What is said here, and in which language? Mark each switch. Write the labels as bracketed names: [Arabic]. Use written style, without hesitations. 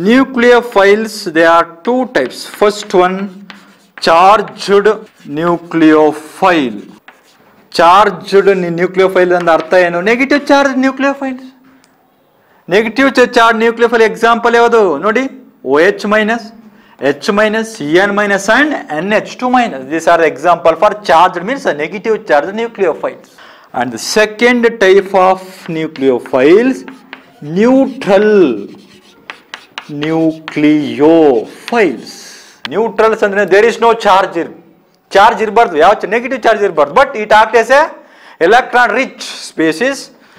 [English] Nucleophiles they are two types. First one, charged nucleophile. [Kannada] Charged nucleophile ಅಂದ ಅರ್ಥ ಏನು? Negative charge nucleophiles. Negative charge nucleophile example ಯಾವುದು ನೋಡಿ? [English] OH-, H- CN- and NH2-. These are example for charged, means negative charge nucleophiles. And the second type of nucleophiles, neutral nucleophiles. Neutrals [Kannada] ಅಂದರೆ [English] there is no charge, [Kannada] charge ಇರಬಾರ್ದು, ಯಾವ negative charge ಇರಬಾರ್ದು, [English] But it act as a electron rich species.